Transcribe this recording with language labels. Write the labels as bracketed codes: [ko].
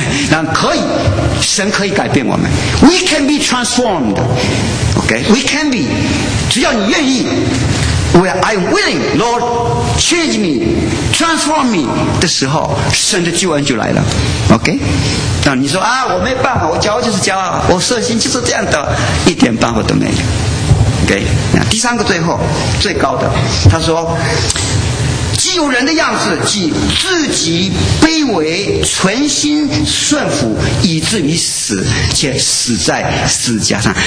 [zh] 那可以，神可以改变我们 ， [en] We can be transformed。 Okay, we can be. [zh] 只要你愿意 ， [en] Where I am willing, Lord, change me, transform me [zh] 的时候，神的救恩就来了。 OK， 那你说啊，我没办法，我骄傲就是骄傲，我色心就是这样的，一点办法都没有。 OK， 那第三个最后最高的，他说，既有人的样子，即自己卑微，存心顺服，以至于死，且死在十字架上。